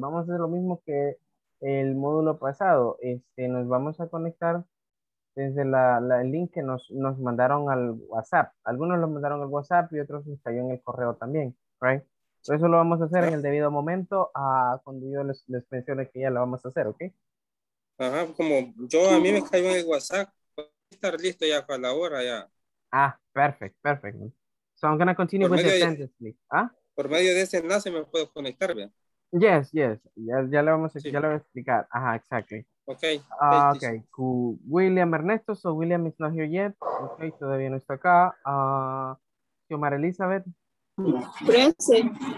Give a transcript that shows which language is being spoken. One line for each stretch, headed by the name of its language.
Spanish: Vamos a hacer lo mismo que el módulo pasado. Nos vamos a conectar desde el link que nos mandaron al WhatsApp. Algunos lo mandaron al WhatsApp y otros nos cayó en el correo también, right? Pero eso lo vamos a hacer en el debido momento, cuando yo les mencione que ya lo vamos a hacer, ¿ok? Ajá, como yo, a mí me cayó en el WhatsApp. Estar listo ya para la hora ya. Ah, perfecto.
English: So I'm going to continue por with the sentence, please. ¿Ah?
Spanish: Por medio de ese enlace me puedo conectar, ¿bien? Yes. Ya le voy a explicar. Ajá, exactly.
English: Okay. Cool. William Ernesto. So William is not here yet. Okay,
Spanish: todavía no está acá.
English: Xiomara Elizabeth. Present.